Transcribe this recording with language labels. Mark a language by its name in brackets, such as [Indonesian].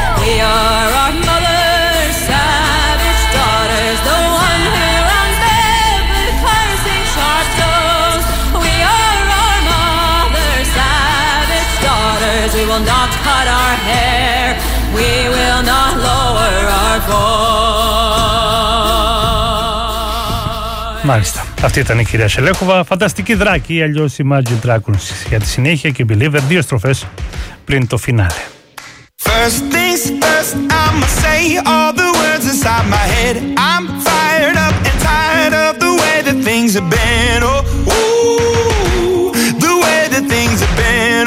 [English] We are our mother's savage daughters, the one who runs barefoot, cursing sharp stones. We are our mother's savage daughters. We will not cut our hair, we will not lower our voice. [Greek] Μάλιστα. Αυτή ήταν η κυρία Σελέχοβα. Φανταστική Δράκη, αλλιώς η Imagine Dragons. Για τη συνέχεια και Believer, δύο στροφές πριν το φινάλε. [English] First things first, I'ma say all the words inside my head. I'm fired up and tired of the way that things have been. Oh, ooh, the way that things have been.